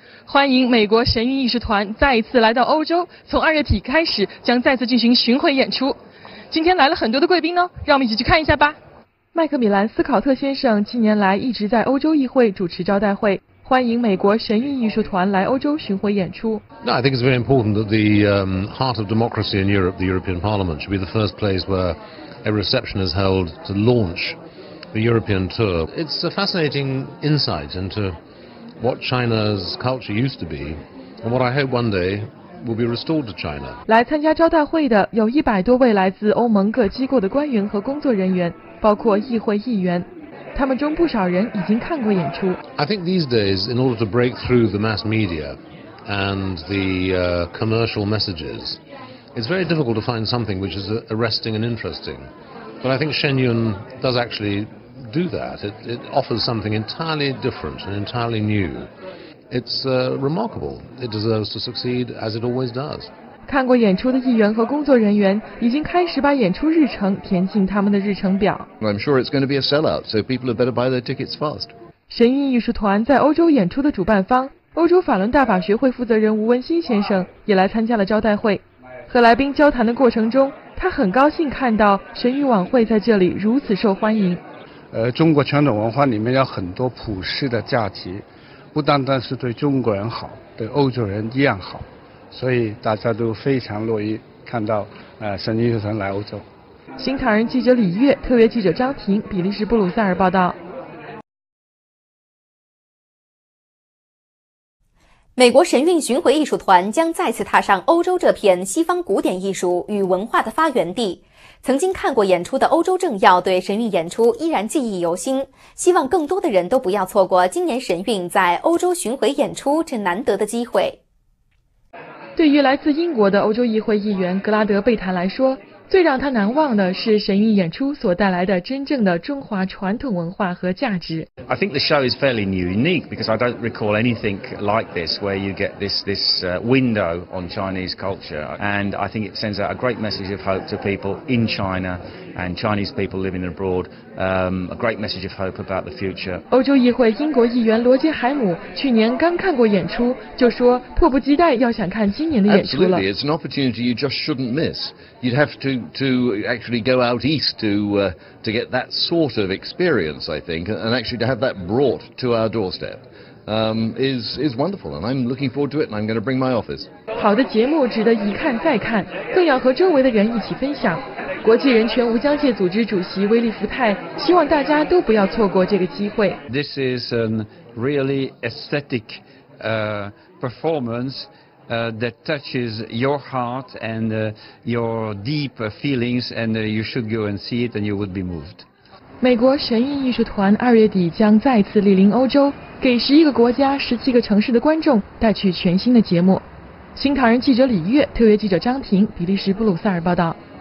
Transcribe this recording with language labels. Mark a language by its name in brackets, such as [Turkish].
[Chinese] 欢迎美国神韵艺术团再一次来到欧洲，从二月底开始将再次进行巡回演出。今天来了很多的贵宾呢，让我们一起去看一下吧。麦克米兰斯考特先生近年来一直在欧洲议会主持招待会，欢迎美国神韵艺术团来欧洲巡回演出。 [English] No, I think it's very important that the heart of democracy in Europe, the European Parliament, should be the first place where a reception is held to launch the European tour. It's a fascinating insight into what China's culture used to be, and what I hope one day will be restored to China. [Chinese] 来参加招待会的有100多位来自欧盟各机构的官员和工作人员，包括议会议员。他们中不少人已经看过演出。 [English] I think these days, in order to break through the mass media and the commercial messages, it's very difficult to find something which is arresting and interesting. But I think Shen Yun does actually do that. It offers something entirely different and entirely new. It's remarkable. It deserves to succeed as it always does. [Chinese] 看过演出的议员和工作人员已经开始把演出日程填进他们的日程表。 [English] I'm sure it's going to be a sellout, so people had better buy their tickets fast. [Chinese] 神韵艺术团在欧洲演出的主办方，欧洲法轮大法学会负责人吴文新先生也来参加了招待会。和来宾交谈的过程中，他很高兴看到神韵晚会在这里如此受欢迎。中国传统文化里面有很多普世的价值，不单单是对中国人好，对欧洲人一样好，所以大家都非常乐意看到神韵艺术团来欧洲。新唐人记者李月，特约记者张婷，比利时布鲁塞尔报道。美国神韵巡回艺术团将再次踏上欧洲这片西方古典艺术与文化的发源地。曾经看过演出的欧洲政要对神韵演出依然记忆犹新，希望更多的人都不要错过今年神韵在欧洲巡回演出这难得的机会。对于来自英国的欧洲议会议员格拉德贝坦来说，最让他难忘的是神韵演出所带来的真正的中华传统文化和价值。 [English] I think the show is fairly unique because I don't recall anything like this where you get this window on Chinese culture. And I think it sends out a great message of hope to people in China and Chinese people living abroad. A great message of hope about the future. [Chinese] 欧洲议会英国议员罗杰海姆去年刚看过演出，就说迫不及待要想看今年的演出了。 [English] Absolutely, it's an opportunity you just shouldn't miss. You'd have to actually go out east to get that sort of experience, I think, and actually to have that brought to our doorstep is wonderful, and I'm looking forward to it, and I'm going to bring my office. [Chinese] 好的节目值得一看再看，更要和周围的人一起分享。国际人权无疆界组织主席威利福泰希望大家都不要错过这个机会。 [English] This is a really aesthetic performance that touches your heart and your deep feelings, and you should go and see it, and you would be moved. [Chinese] 美国神韵艺术团二月底将再次莅临欧洲，给11个国家、17个城市的观众带去全新的节目。新唐人记者李月，特约记者张婷，比利时布鲁塞尔报道。